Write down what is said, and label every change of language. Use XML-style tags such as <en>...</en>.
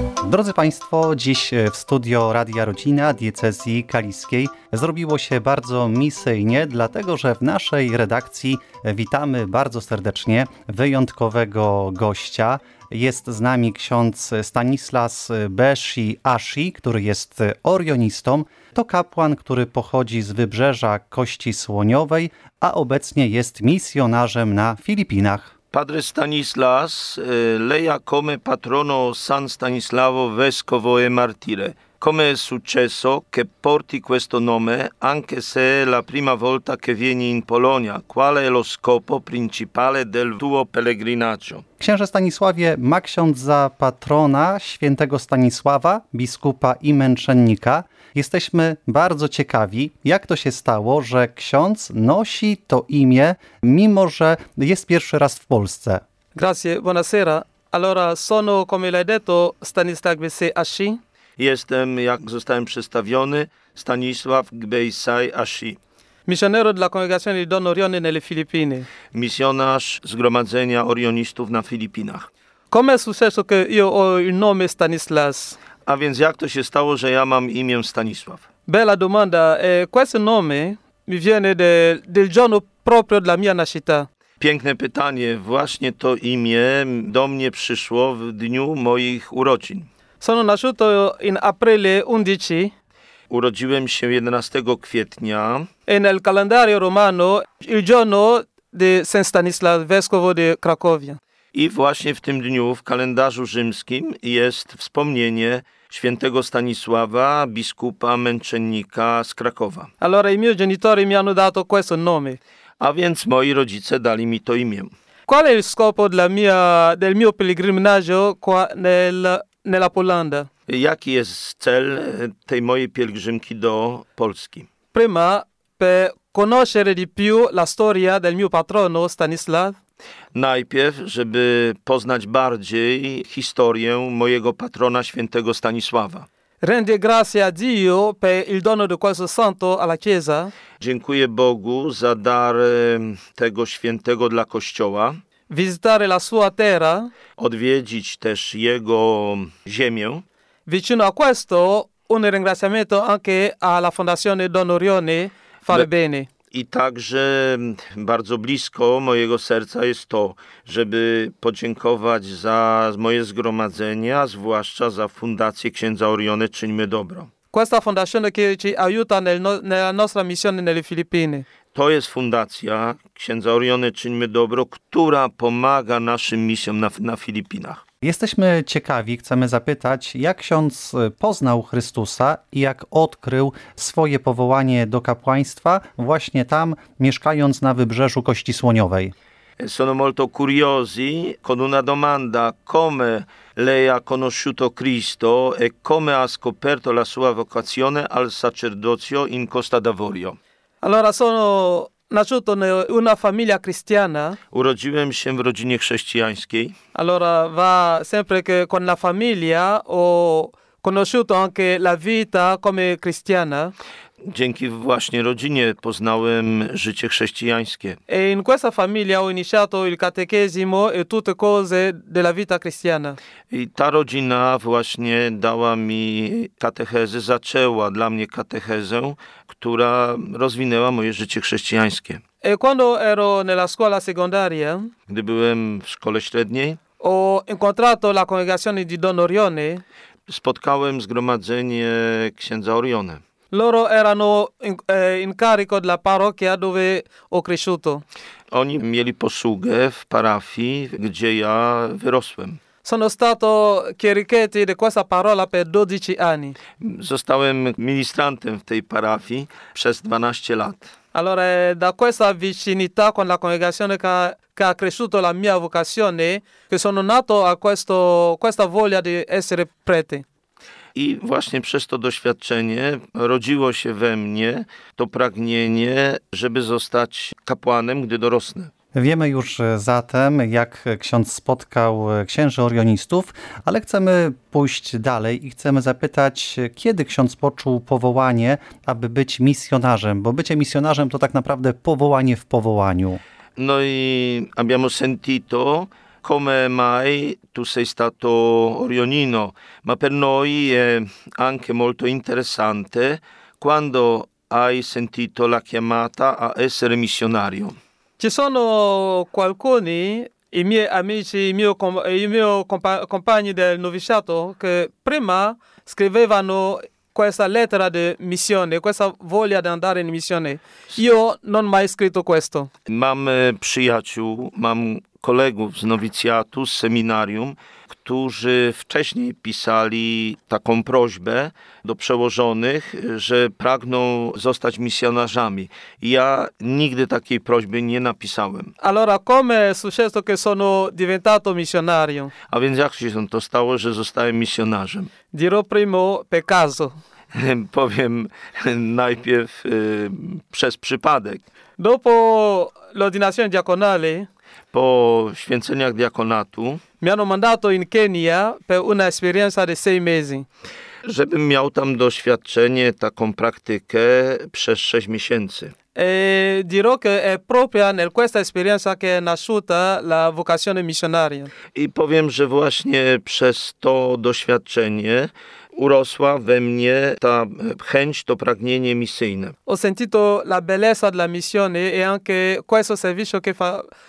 <pl>Drodzy Państwo, dziś w studio Radia Rodzina Diecezji Kaliskiej zrobiło się bardzo misyjnie, dlatego że w naszej redakcji witamy bardzo serdecznie wyjątkowego gościa. Jest z nami ksiądz Stanislas Beshi-Ashi, który jest orionistą. To kapłan, który pochodzi z Wybrzeża Kości Słoniowej, a obecnie jest misjonarzem na Filipinach.</pl> <it>Padre Stanislas, leia come patrono San Stanislavo Vescovo e Martire. Come è successo che porti questo nome, anche se è la prima volta che vieni in Polonia? Qual è lo scopo principale del tuo pellegrinaggio?</it> <pl>Księże Stanisławie, ma ksiądz za patrona świętego Stanisława, biskupa i męczennika. Jesteśmy bardzo ciekawi, jak to się stało, że ksiądz nosi to imię, mimo że jest pierwszy raz w Polsce.</pl> <it>Grazie, buonasera. Allora, sono, come l'hai detto, Stanislav Beshi-Ashi.</it> <pl>Jestem, jak zostałem przedstawiony, Stanisław Beshi-Ashi. Misjonero dla</pl> <it>Congregazione Don Orione nelle Filippine.</it> <pl>Misjonarz Zgromadzenia Orionistów na Filipinach.</pl> <it>Come successo che io ho il nome Stanislas?</it> <pl>A więc jak to się stało, że ja mam imię Stanisław?</pl> <it>Bella domanda. Questo nome mi viene del giorno proprio della mia nascita.</it> <pl>Piękne pytanie. Właśnie to imię do mnie przyszło w dniu moich urodzin.</pl> <it>Sono nasciuto in aprile 11.</it> <pl>Urodziłem się 11 kwietnia.</pl> <it>E nel calendario romano il giorno di San Stanislav, vescovo di Cracovia.</it> <pl>I właśnie w tym dniu w kalendarzu rzymskim jest wspomnienie świętego Stanisława, biskupa męczennika z Krakowa.</pl> <it>Allora i miei genitori mi hanno dato questo nome.</it> <pl>A więc moi rodzice dali mi to imię.</pl> <it>Qual è il scopo del mio pellegrinaggio qua nella Polanda?</it> <pl>Jaki jest cel tej mojej pielgrzymki do Polski?</pl> <it>Prima, per conoscere di più la storia del mio patrono Stanislav.</it> <pl>Najpierw, żeby poznać bardziej historię mojego patrona świętego Stanisława.</pl> <it>Rendi grazie a Dio per il dono di questo santo alla Chiesa.</it> <pl>Dziękuję Bogu za dar tego świętego dla Kościoła.</pl> <it>Visitare la sua terra.</it> <pl>Odwiedzić też jego ziemię.</pl> <it>Vicino a questo, un ringraziamento anche alla Fondazione Don Orione Fare Bene.</it> <pl>I także bardzo blisko mojego serca jest to, żeby podziękować za moje zgromadzenie, zwłaszcza za Fundację Księdza Orione Czyńmy Dobro.</pl> <it>Questa fondazione che ci aiuta nella nostra missione nelle Filippine.</it> <pl>To jest Fundacja Księdza Orione Czyńmy Dobro, która pomaga naszym misjom na Filipinach. Jesteśmy ciekawi, chcemy zapytać, jak ksiądz poznał Chrystusa i jak odkrył swoje powołanie do kapłaństwa właśnie tam, mieszkając na Wybrzeżu Kości Słoniowej.</pl> <it>Sono molto curiosi con una domanda: come lei ha conosciuto Cristo e come ha scoperto la sua vocazione al sacerdozio in Costa d'Avorio? Allora sono nasciuto in una famiglia cristiana.</it> <pl>Urodziłem się w rodzinie chrześcijańskiej.</pl> <it>Allora va sempre che con la famiglia ho conosciuto anche la vita come cristiana.</it> <pl>Dzięki właśnie rodzinie poznałem życie chrześcijańskie.</pl> <it>E in questa famiglia ho iniziato il catechesimo e tutte cose della vita cristiana.</it> <pl>I ta rodzina właśnie dała mi katechezę, zaczęła dla mnie katechezę, która rozwinęła moje życie chrześcijańskie.</pl> <it>E quando ero nella scuola secondaria,</it> <pl>gdy byłem w szkole średniej,</pl> <it>ho incontrato la congregazione di Don Orione.</it> <pl>Spotkałem zgromadzenie księdza Orione.</pl> <it>Loro erano in carico della parrocchia dove ho cresciuto.</it> <pl>Oni mieli posługę w parafii, gdzie ja wyrosłem.</pl> <it>Sono stato chierichetti di questa parola per 12 anni.</it> <pl>Zostałem ministrantem w tej parafii przez 12 lat.</pl> <it>Allora, da questa vicinità con la congregazione che ha cresciuto la mia vocazione, che sono nato a questa voglia di essere prete.</it> <pl>I właśnie przez to doświadczenie rodziło się we mnie to pragnienie, żeby zostać kapłanem, gdy dorosnę. Wiemy już zatem, jak ksiądz spotkał księży orionistów, ale chcemy pójść dalej i chcemy zapytać, kiedy ksiądz poczuł powołanie, aby być misjonarzem, bo bycie misjonarzem to tak naprawdę powołanie w powołaniu.</pl> <it>No i abbiamo sentito come mai tu sei stato orionino, ma per noi è anche molto interessante quando hai sentito la chiamata a essere missionario. Ci sono alcuni, i miei amici, i miei compagni del noviciato, che prima scrivevano questa lettera di missione, questa voglia di andare in missione. Io non ho mai scritto questo.</it> <pl>Mam przyjaciół, mam kolegów z nowicjatu, z seminarium, którzy wcześniej pisali taką prośbę do przełożonych, że pragną zostać misjonarzami. Ja nigdy takiej prośby nie napisałem.</pl> <it>Allora, come è successo che sono diventato missionario?</it> <pl>A więc jak się to stało, że zostałem misjonarzem?</pl> <it>Dirò primo per caso.</it> <pl>Powiem najpierw przez przypadek.</pl> <it>Dopo l'ordinazione diaconale,</it> <pl>po święceniach diakonatu,</pl> <it>mi hanno mandato in Kenya per una esperienza di 6 mesi.</it> <pl>Żebym miał tam doświadczenie, taką praktykę przez 6 miesięcy.</pl> <it>E dirò che è proprio nel questa esperienza che è nasciuta la vocazione missionaria.</it> <pl>I powiem, że właśnie przez to doświadczenie urosła we mnie ta chęć, to pragnienie misyjne.</pl> <it>Ho sentito la bellezza della missione e anche questo servizio che fa.</it>